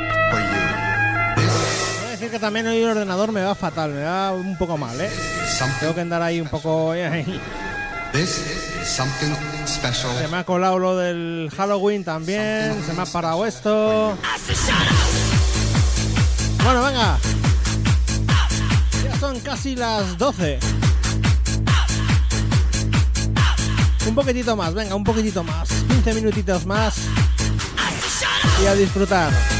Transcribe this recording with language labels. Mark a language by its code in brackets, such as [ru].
[es] Voy a decir que también hoy el ordenador me va fatal, me va un poco mal, ¿eh? Tengo que andar ahí un poco... [en] This is something special. [es] Se me ha colado lo del Halloween también, se me ha parado esto. Bueno, venga. Ya son casi las 12. Un poquitito más, venga, un poquitito más. 15 minutitos más. Y a disfrutar.